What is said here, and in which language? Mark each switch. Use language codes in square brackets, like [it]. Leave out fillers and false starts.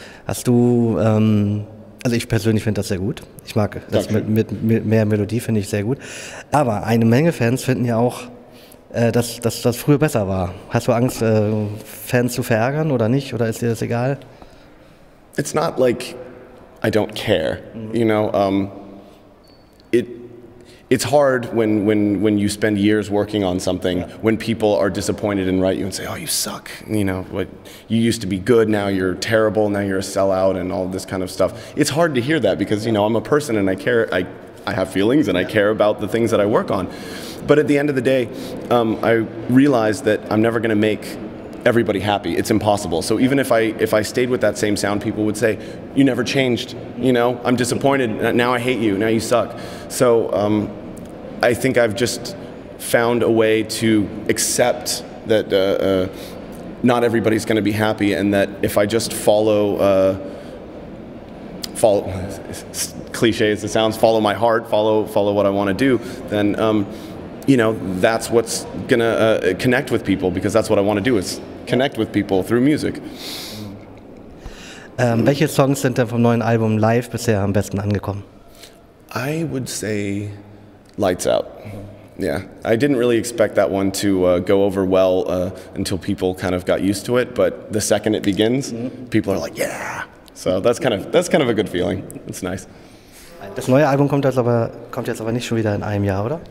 [de] Hast du, also ich persönlich finde das sehr gut. Ich mag das mit mehr Melodie, finde ich sehr gut. Aber eine Menge Fans finden ja auch, dass das früher besser war. Hast du Angst, Fans zu verärgern oder nicht? Oder ist dir das egal? [en] It's not like I don't care. Mm-hmm. You know, it's hard when you spend years working on something, yeah, when people are disappointed and write you and say, oh, you suck. You know, what, you used to be good, now you're terrible, now you're a sellout and all this kind of stuff. It's hard to hear that because, you know, I'm a person and I care, I have feelings and I care about the things that I work on. But at the end of the day, I realized that I'm never going to make everybody happy. It's impossible. So even if I stayed with that same sound, people would say, you never changed. You know, I'm disappointed. Now I hate you. Now you suck. So I think I've just found a way to accept that not everybody's going to be happy and that if I just follow what I want to do, then you know, that's what's gonna connect with people, because that's what I want to do, is connect with people through music. [de] Welche Songs sind denn vom neuen Album live bisher am besten angekommen? [en] I would say Lights Out. Yeah, I didn't really expect that one to go over well until people kind of got used to it, but the second it begins, people are like, yeah! So that's kind of a good feeling. It's nice. [de] Das neue Album kommt jetzt aber nicht schon wieder in einem Jahr, oder?